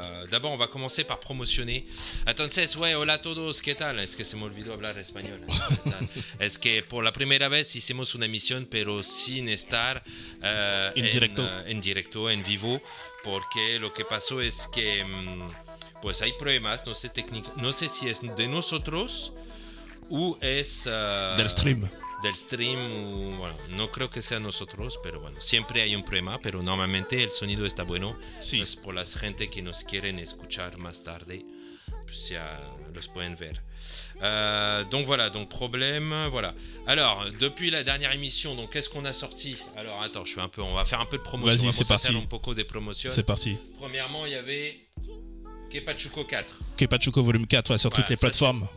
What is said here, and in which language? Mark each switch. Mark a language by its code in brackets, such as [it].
[fr] D'abord, on va commencer par promotionner. [es] Entonces, ouais, hola a todos, ¿qué tal? Es que se me olvidó hablar español. Es que por la primera vez hicimos una misión, pero sin estar en directo, en vivo. Porque lo que pasó es que pues hay problemas, no sé, técnico. No sé si es de nosotros o es... Del stream, o, bueno, no creo que sea nosotros, pero bueno, siempre hay un problema, pero normalmente el sonido está bueno. Sí. Pues por la gente que nos quieren escuchar más tarde, pues ya los pueden ver. [fr] Donc voilà, donc problème, voilà. Alors, depuis la dernière émission, donc qu'est-ce qu'on a sorti? Alors attends, je fais un peu, on va faire un peu de promotion. Vas-y, c'est parti. [es] Un poco de promotion. [fr] C'est parti. Premièrement, il y avait Kepachuko 4. Kepachuko volume 4, ouais, sur voilà, toutes les ça, plateformes.